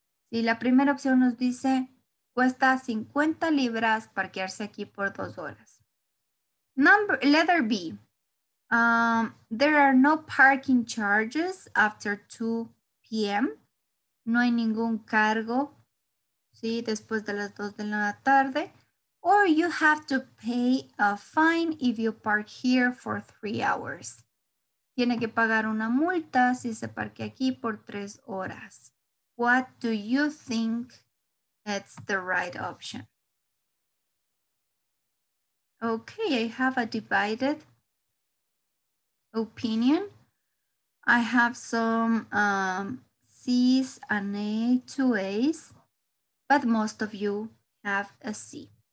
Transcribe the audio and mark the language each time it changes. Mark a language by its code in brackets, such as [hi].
[es] Si la primera opción nos dice, cuesta 50 libras parquearse aquí por 2 horas. [en] Letter B. There are no parking charges after 2 p.m. [es] No hay ningún cargo, ¿sí? Después de las 2 de la tarde. [en] Or you have to pay a fine if you park here for 3 hours. [es] Tiene que pagar una multa si se parque aquí por 3 horas. [en] What do you think that's the right option? Okay, I have a divided opinion. I have some C's and A, 2 A's, but most of you have a C.